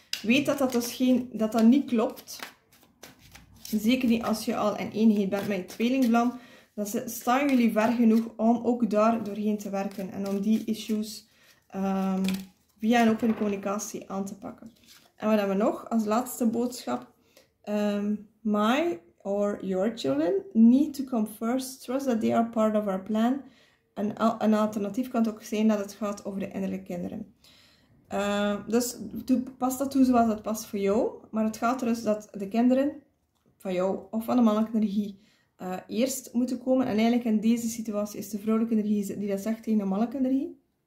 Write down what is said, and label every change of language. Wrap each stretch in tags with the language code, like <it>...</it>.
<nl>Weet dat dat dus dat niet klopt. Zeker niet als je al in eenheid bent met je tweelingvlam. Dan staan jullie ver genoeg om ook daar doorheen te werken. En om die issues via een open communicatie aan te pakken. En wat hebben we nog als laatste boodschap?</nl> <en>My or your children need to come first. Trust that they are part of our plan.</en> <nl>Een alternatief kan het ook zijn dat het gaat over de innerlijke kinderen. Dus pas dat toe zoals dat past voor jou. Maar het gaat er dus dat de kinderen van jou of van de mannelijke energie eerst moeten komen. En eigenlijk in deze situatie is de vrouwelijke energie die dat zegt tegen de mannelijke energie.</nl>